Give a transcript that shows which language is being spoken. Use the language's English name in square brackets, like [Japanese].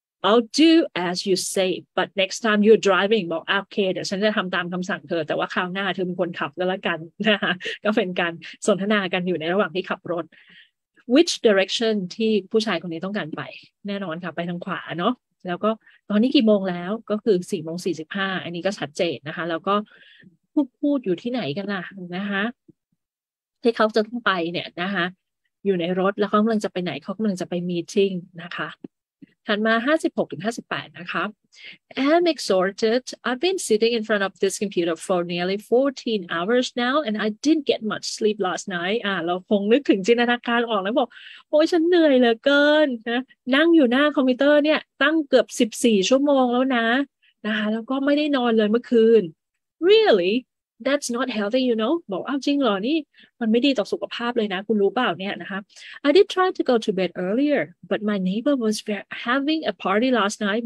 [English] I'll do as you say, but next time you're driving, [Thai] บอกโอเคเดี๋ยวฉันจะทำตามคำสั่งเธอแต่ว่าคราวหน้าเธอเป็นคนขับแล้วละกันนะคะก็เป็นการสนทนากันอยู่ในระหว่างที่ขับรถ [English] Which direction [Thai] ที่ผู้ชายคนนี้ต้องการไปแน่นอนค่ะไปทางขวาเนาะแล้วก็ตอนนี้กี่โมงแล้วก็คือ4:45อันนี้ก็ชัดเจนนะคะแล้วก็พูดอยู่ที่ไหนกันล่ะนะคะ ที่เขาจะต้องไปเนี่ยนะคะอยู่ในรถแล้วเขากำลังจะไปไหนเขากำลังจะไปมีทิ้งนะคะถัดมา56ถึง58นะคะ [English] I'm exhausted. I've been sitting in front of this computer for nearly 14 hours now and I didn't get much sleep last night. [Thai] เราคงนึกถึงจินตนาการออกแล้วบอกโอ้ยฉันเหนื่อยเหลือเกินนะนั่งอยู่หน้าคอมพิวเตอร์เนี่ยตั้งเกือบ14ชั่วโมงแล้วนะนะคะแล้วก็ไม่ได้นอนเลยเมื่อคืน [English] Really? That's not healthy, you know? [Thai] บอกอ้าวจริงเหรอนี่มันไม่ดีต่อสุขภาพเลยนะคุณรู้เปล่าเนี่ยนะคะ [English] I did try to go to bed earlier, but my neighbor was having a party last night.